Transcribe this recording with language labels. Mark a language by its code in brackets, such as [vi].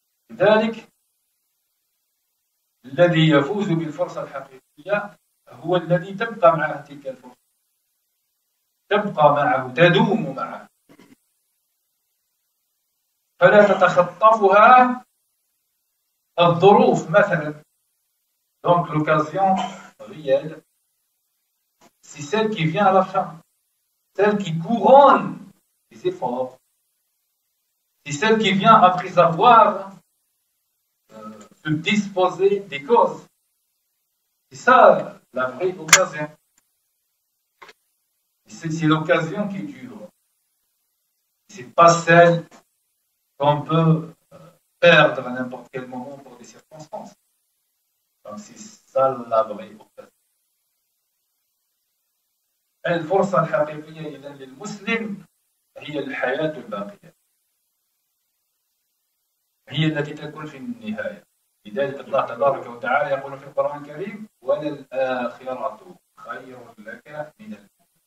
[ar] لذلك الذي يفوز بالفرصة الحقيقية هو الذي تبقى معه تلك الفرصة، تبقى معه، تدوم معه، فلا تتخطفها الظروف. [fr] مثلا donc l'occasion réelle c'est celle qui vient à la fin, celle qui couronne les efforts, c'est celle qui vient après avoir de disposer des causes. C'est ça la vraie occasion. C'est l'occasion qui dure. C'est pas celle qu'on peut perdre à n'importe quel moment pour des circonstances. Donc c'est ça la vraie occasion. Elle force à la réveiller les musulmans. [ar] هي الحياة الباقية هي التي تكون في النهاية لذلك الله تبارك وتعالى يقول في القرآن الكريم وللآخرة خير لك من الدنيا